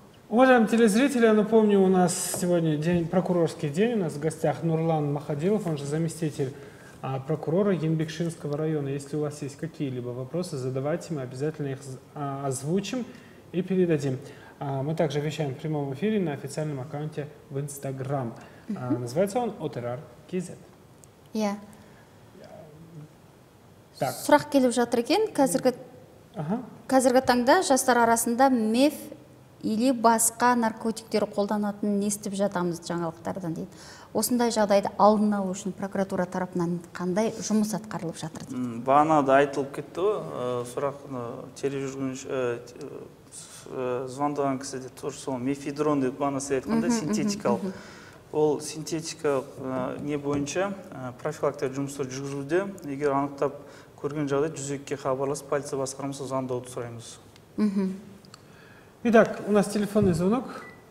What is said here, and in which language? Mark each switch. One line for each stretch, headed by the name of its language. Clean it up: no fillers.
Russian: Уважаемые телезрители, я напомню, у нас сегодня день, прокурорский день. У нас в гостях Нурлан Махадилов, он же заместитель прокурора Енбекшинского района. Если у вас есть какие-либо вопросы, задавайте, мы обязательно их озвучим и передадим. Мы также вещаем в прямом эфире на официальном аккаунте в Инстаграм. Называется он OTRR.KZ. Я.
Kazakh: Сұрақ келіп жатыр екен, қазіргі таңда жастар арасында меф или басқа наркотиктер қолданатынын естіп жатамыз жаңалықтардан дейді. Осындай жағдайды алдын алу үшін прокуратура тарапынан қандай жұмыс атқарылып жатыр дейді. Бағана да айтылып кетті, сұрақ теле жүргін звондаған кісіде тоже сол мефедрон деп бағана сіз айтқанда синтетикалық. Ол синтетика не бойынша профилактикалық жұмыстар жүргізілуде. Егер анықтап көрген жағдай, 102-ге хабарласып, полиция басқармасына звондауды сұраймыз.
Russian: Итак, у нас телефонный звонок.